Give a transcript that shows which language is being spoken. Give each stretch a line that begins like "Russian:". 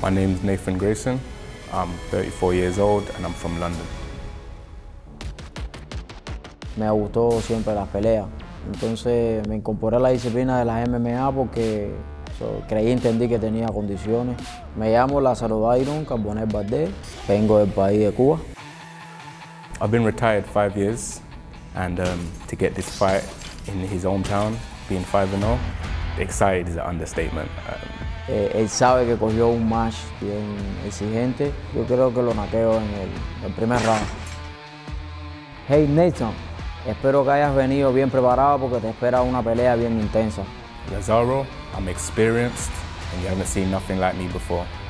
English: My name is Nathan Grayson. I'm 34 years old and I'm from London.
Spanish: Me ha gustado siempre las peleas. Entonces me incorporé a la disciplina de las MMA porque creí y entendí que tenía condiciones. Me llamo Lázaro Tyron Carbonell Valdez. Vengo del país de Cuba.
English: I've been retired 5 years and to get this fight in his hometown, being 5-0, excited is an understatement.
Spanish: Él sabe que cogió un match bien exigente. Yo creo que lo naqueo en el primer round. Hey Nathan. Espero que hayas venido bien preparado porque te espera una pelea bien intensa.
English: Lazaro, I'm experienced and you haven't seen nothing like me before.